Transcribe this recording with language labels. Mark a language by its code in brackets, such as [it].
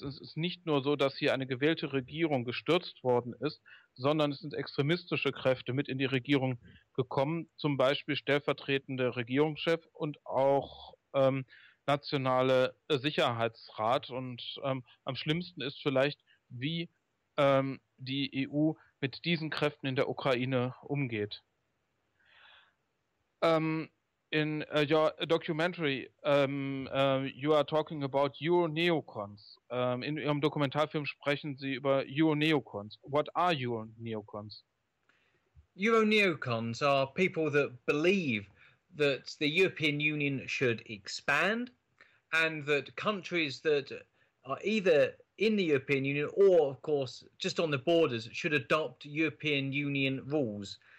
[de] Es ist nicht nur so, dass hier eine gewählte Regierung gestürzt worden ist, sondern es sind extremistische Kräfte mit in die Regierung gekommen, zum Beispiel stellvertretender Regierungschef und auch nationale Sicherheitsrat. Und am schlimmsten ist vielleicht, wie die EU mit diesen Kräften in der Ukraine umgeht. [en] In your documentary, you are talking about Euro-Neocons. [de] In Ihrem Dokumentarfilm sprechen Sie über Euro-Neocons. [en] What are Euro-Neocons? Euro-Neocons are people that believe that the European Union should expand and that countries that are either in the European Union or, of course, just on the borders should adopt European Union rules.